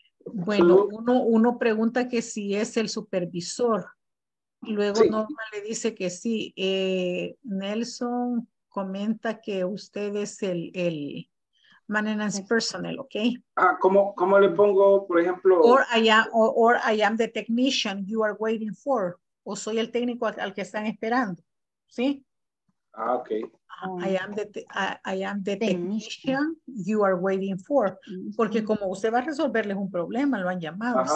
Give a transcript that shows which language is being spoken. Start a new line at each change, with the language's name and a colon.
Spanish: Bueno, uno pregunta que si es el supervisor. Luego sí. Norma le dice que sí. Nelson comenta que usted es el maintenance personnel, ¿ok? ¿Cómo le pongo, por ejemplo?
English: Or I am the technician you are waiting for.
Spanish: O soy el técnico al que están esperando, ¿sí? Ah, ok.
English: I am the technician you are waiting for.
Spanish: Porque como usted va a resolverles un problema, lo han llamado, ajá.